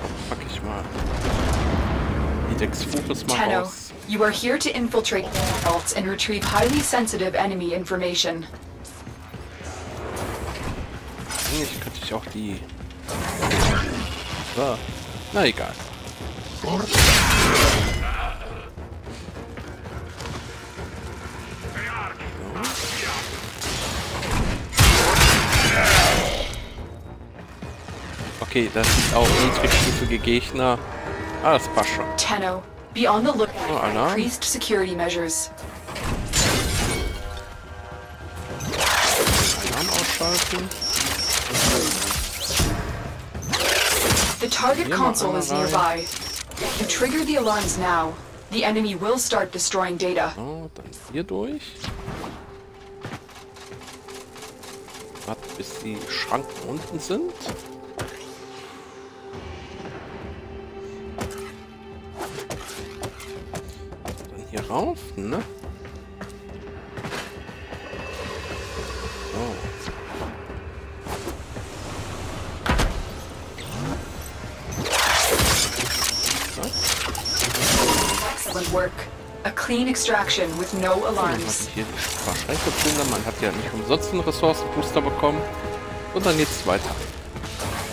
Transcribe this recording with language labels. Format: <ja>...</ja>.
<de>Pack ich mal die Dex-Fokus mal raus.</de> <en>You are here to infiltrate the vaults and retrieve highly sensitive enemy information.</en> <de>Eigentlich könnte ich auch die. Ah. Na egal. Okay, das sind auch niedrigstufige Gegner. Ah, das passt schon.</de> <en>Tenno. Be on the lookout for increased security measures.</en> <de>Alarm ausschalten.</de> <en>The target console is nearby. You trigger the alarms now. The enemy will start destroying data.</en> <de>So, dann hier durch. Warte, bis die Schranken unten sind. Auf, ne? So.</de> <en>Excellent work. A clean extraction with no alarms.</en> <de>Hier die Sprachschränke plündern. Man hat ja nicht umsonst einen Ressourcenbooster bekommen. Und dann geht's weiter. So.</de>